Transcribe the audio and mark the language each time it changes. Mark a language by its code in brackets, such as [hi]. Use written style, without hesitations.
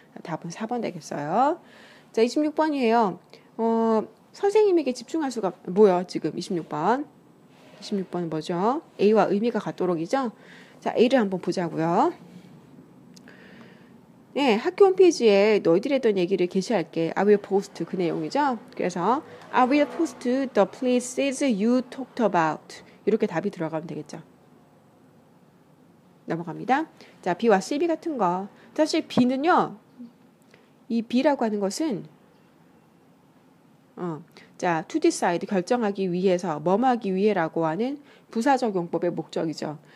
[ko] 답은 4번 되겠어요. 자, 26번이에요. 선생님에게 집중할 수가 뭐야 지금 26번? 26번은 뭐죠? A와 의미가 같도록이죠? 자, A를 한번 보자고요. 네, 학교 홈페이지에 너희들에 했던 얘기를 게시할게. [en] I will post [ko] 그 내용이죠. [en] 그래서 I will post the places you talked about. [ko] 이렇게 답이 들어가면 되겠죠. 넘어갑니다. 자, B와 CB 같은 거. 사실 B는요, 이 B라고 하는 것은 자, to decide, 결정하기 위해서, 뭐하기 위해라고 하는 부사적용법의 목적이죠.